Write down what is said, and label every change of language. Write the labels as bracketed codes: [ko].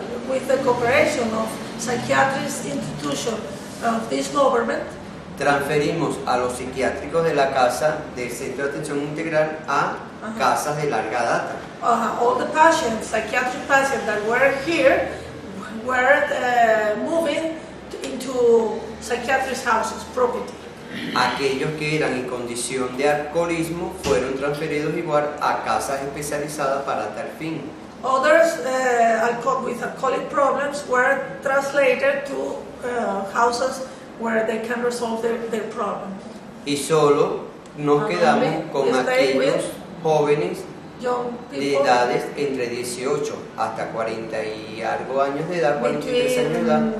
[en] with the cooperation of psychiatric institution of this government, [es] transferimos a los psiquiátricos de la casa del Centro de Atención Integral a casas de larga data. [en] All the patients, psychiatric patients that were here, were moving into psychiatric houses, property. [es] Aquellos que eran en condición de alcoholismo fueron transferidos igual a casas especializadas para tal fin. [en] Others with alcoholic problems were translated to houses where they can resolve their problems. [es] Y solo nos quedamos con aquellos jóvenes de edades entre 18 hasta 40 y algo años de edad, 43 años de edad.